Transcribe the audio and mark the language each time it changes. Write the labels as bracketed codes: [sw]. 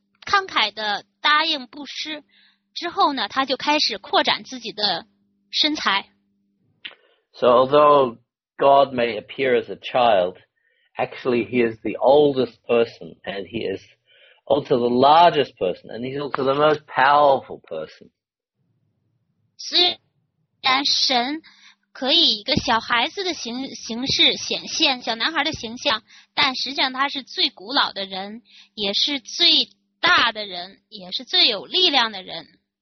[zh] 慷慨地答应布施，之后呢，他就开始扩展自己的身材。 [en] So although God may appear as a child, actually he is the oldest person, and he is also the largest person, and he's also the most powerful person. [zh] 虽然神可以一个小孩子的 形式显现，小男孩的形象，但实际上他是最古老的人，也是最大的人，也是最有力量的人。